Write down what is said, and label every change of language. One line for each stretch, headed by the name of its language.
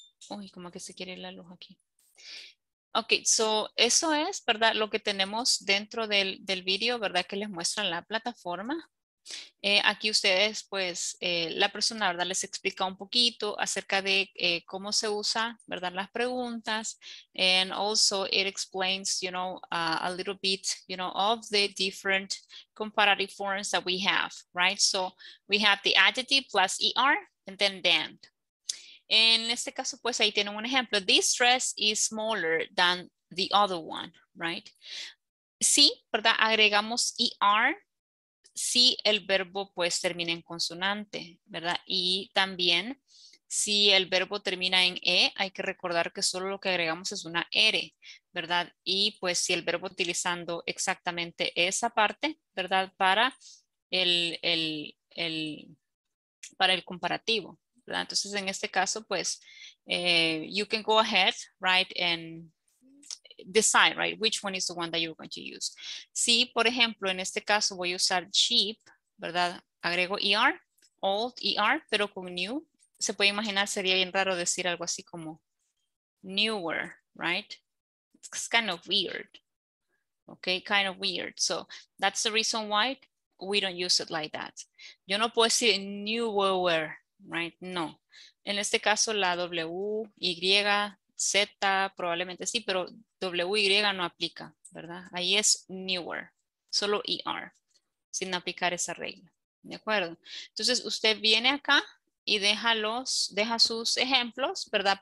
Spanish: Uy, como que se quiere la luz aquí. Ok, so eso es, ¿verdad? Lo que tenemos dentro del video, ¿verdad? Que les muestra la plataforma. Aquí ustedes, pues, la persona, ¿verdad?, les explica un poquito acerca de cómo se usa, ¿verdad?, las preguntas.
English: And also it explains, you know, a little bit, you know, of the different comparative forms that we have, right? So we have the adjective plus ER and then than.
Spanish: En este caso, pues, ahí tienen un ejemplo.
English: This dress is smaller than the other one, right?
Spanish: Sí, ¿verdad? Agregamos ER. Si el verbo pues termina en consonante, ¿verdad? Y también si el verbo termina en E, hay que recordar que solo lo que agregamos es una R, ¿verdad? Y pues si el verbo utilizando exactamente esa parte, ¿verdad? Para el comparativo, ¿verdad? Entonces en este caso pues,
English: you can go ahead, right? And decide, right, which one is the one that you're going to use.
Spanish: Si, por ejemplo, en este caso voy a usar cheap, ¿verdad? Agrego ER, old ER, pero con new. Se puede imaginar, sería bien raro decir algo así como newer, right?
English: It's kind of weird. Okay, kind of weird. So that's the reason why we don't use it like that.
Spanish: Yo no puedo decir newer, right? No. En este caso, la W, Y, Z, probablemente sí, pero W, Y no aplica, ¿verdad? Ahí es newer, solo ER, sin aplicar esa regla, ¿de acuerdo? Entonces usted viene acá y deja sus ejemplos, ¿verdad?